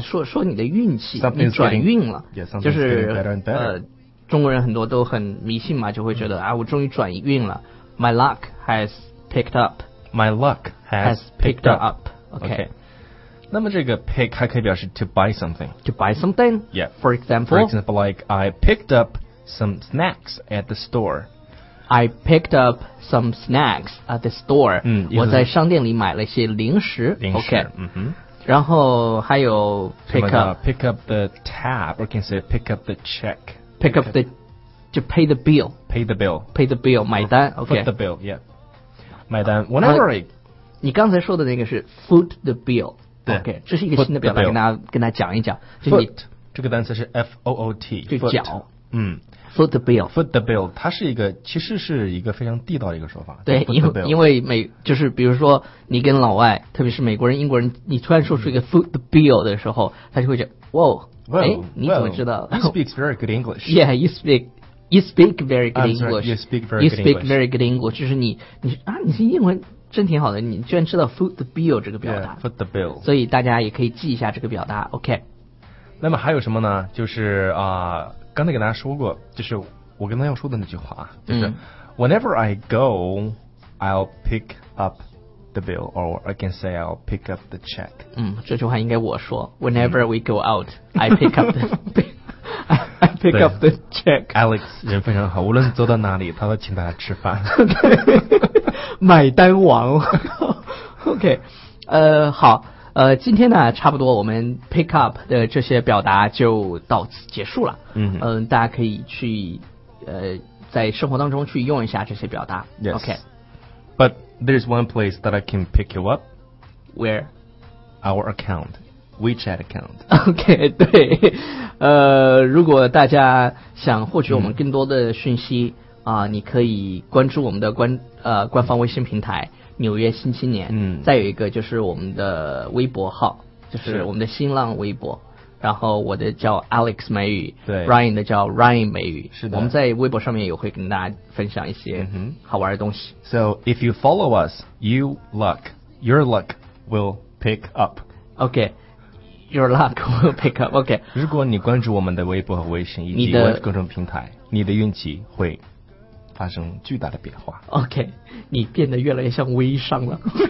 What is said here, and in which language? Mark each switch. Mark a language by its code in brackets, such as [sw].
[zh] 说你的运气，你转运了，就是中国人很多都很迷信嘛，就会觉得啊，我终于转运了。 [en] My luck has picked up. My luck has picked up. Okay. [zh] 那么这个 pick 还可以表示 [en] to buy something. To buy something. Yeah. For example, like I picked up some snacks at the store. I picked up some snacks at the store. [zh] 我在商店里买了一些零食。Okay. 然后还有 pick up [en] the tab, or can say pick up the check. Pick up the, to pay the bill. Pay the bill, [zh] 买单 okay. [en] Foot the bill, yeah. 买单 whenever I... [zh] 你刚才说的那个是 foot the bill. 对 OK, 这是一个新的表达跟大家讲一讲。就是、 foot, 这个单词是 F-O-O-T, 就脚。 [en] Foot the bill. [zh] Foot the bill, 它是一个其实是一个非常地道的一个说法。对因为美就是比如说你跟老外特别是美国人英国人你突然说出一个 foot the bill 的时候他就会觉得 whoa, [en] Well, [zh] 你怎么知道 [en] well, you speak very good English. Yeah, you speak very good English. Sorry, you speak very you good speak English. You speak very good English. [zh] 就是你是英文真挺好的，你居然知道 foot the bill 这个表达。 [en] Yeah, foot the bill. [zh] 所以大家也可以记一下这个表达 ，OK。那么还有什么呢？就是刚才给大家说过，就是我跟他要说的那句话，就是、 [en] whenever I go, I'll pick up. The bill, or I can say I'll pick up the check. [zh] 这句话应该我说 [en] Whenever we go out, I pick up the I pick up the check. [zh] Alex 人非常好，无论走到哪里，他都请大家吃饭。买单王。 OK, 好，今天呢，差不多我们 pick up 的这些表达就到此结束了。大家可以去在生活当中去用一下这些表达。 [en] Yes. OK, but. There's one place that I can pick you up. Where? Our account. WeChat account. [zh] OK, 对。如果大家想获取我们更多的讯息、你可以关注我们的官方微信平台纽约新青年。再有一个就是我们的微博号就是我们的新浪微博，然后我的叫 Alex 美语，对，Ryan 的叫 Ryan 美语，是的。我们在微博上面也会跟大家分享一些好玩的东西。 [en] So if you follow us, your luck will pick up. Okay. Your luck will pick up. OK. [zh] 如果你关注我们的微博和微信以及各种平台，你的运气会发生巨大的变化。 [en] OK. [zh] 你变得越来越像微商了。